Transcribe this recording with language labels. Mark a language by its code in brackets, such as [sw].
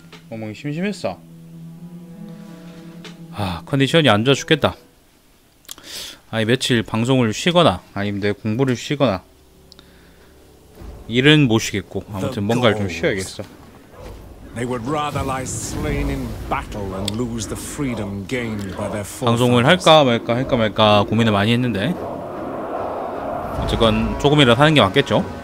[ko] 어머니 심심했어. 아, 컨디션이 안 좋아 죽겠다. 아니 며칠 방송을 쉬거나 아니면 내 공부를 쉬거나 일은 못 쉬겠고 아무튼 뭔가를 좀 쉬어야겠어. [en] They would rather lie slain in battle and lose the freedom gained by their forefathers. [ko] 방송을 할까 말까 고민을 많이 했는데 어쨌건 조금이라도 하는 게 맞겠죠.